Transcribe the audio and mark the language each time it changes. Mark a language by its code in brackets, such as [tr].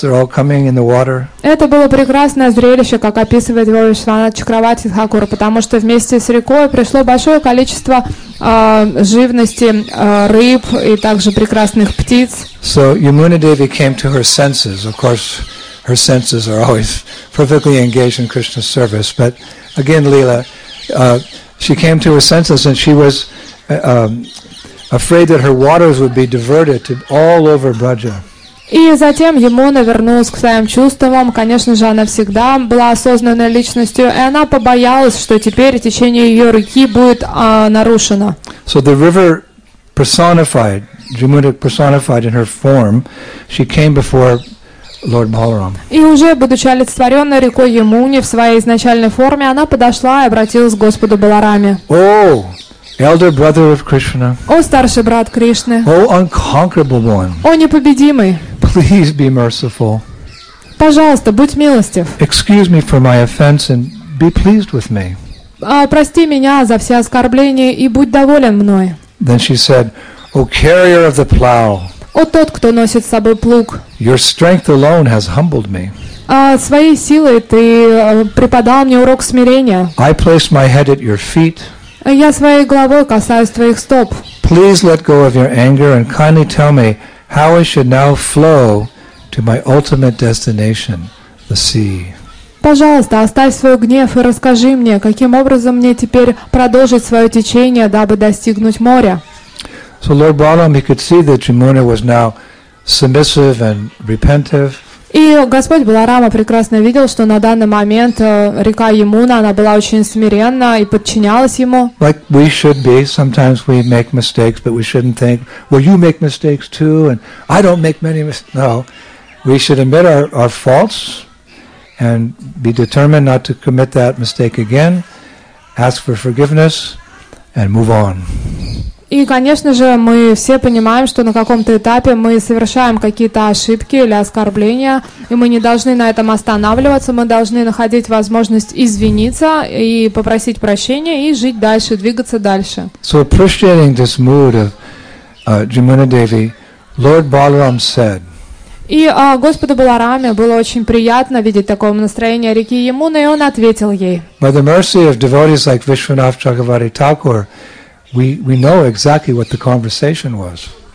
[en] They're all coming in the water. [ru] Это было прекрасное зрелище, как описывает его Вишванат Чакравати Тхакур, потому что вместе с рекой пришло большое количество живности, рыб и также прекрасных птиц. [en] So Yamuna Devi came to her senses. Of course, her senses are always perfectly engaged in Krishna's service. But again, Leela, she came to her senses and she was afraid that her waters would be diverted to all over Braja. [ru] И затем Ямуна вернулась к своим чувствам. Конечно же, она всегда была осознанной личностью, и она побоялась, что теперь течение ее реки будет нарушено. [en] So the river personified, Jamuna personified in her form, she came before Lord Balaram. [ru] И уже будучи олицетворенной рекой Ямуни в своей изначальной форме, она подошла и обратилась к Господу Балараме. [en] Elder brother of Krishna. [ru] О, старший брат Кришны. [en] О, unconquerable one. [ru] О, непобедимый. [en] Please be merciful. [ru] Пожалуйста, будь милостив. [en] Excuse me for my offense and be pleased with me. [ru] Прости меня за все оскорбления и будь доволен мной. [en] Then she said, "O carrier of the plow." [ru] О, тот, кто носит с собой плуг. [en] Your strength alone has humbled me. [ru] Своей силой ты преподал мне урок смирения. [en] I place my head at your feet. [ru] Я своей головой касаюсь твоих стоп. [en] Please let go of your anger and kindly tell me how I should now flow to my ultimate destination, the sea. [ru] Пожалуйста, оставь свой гнев и расскажи мне, каким образом мне теперь продолжить свое течение, дабы достигнуть моря. [en] So Lord Balaram, he could see that Jamuna was now submissive and repentive. [ru] И Господь Баларама прекрасно видел, что на данный момент река Ямуна, она была очень смиренна и подчинялась ему. [en] Like we should be, sometimes we make mistakes, but we shouldn't think, well, you make mistakes too, and I don't make many mistakes. No, we should admit our faults and be determined not to commit that mistake again, ask for forgiveness, and move on. [ru] И, конечно же, мы все понимаем, что на каком-то этапе мы совершаем какие-то ошибки или оскорбления, и мы не должны на этом останавливаться, мы должны находить возможность извиниться и попросить прощения и жить дальше, двигаться дальше. [en] So appreciating this mood of Jamuna Devi, Lord Balaram said. [ru] И Господу Балараме было очень приятно видеть такое настроение реки Ямуны, и он ответил ей. [en] By the mercy of devotees like Vishwanath Chakravarti Thakur, we know exactly what the conversation was.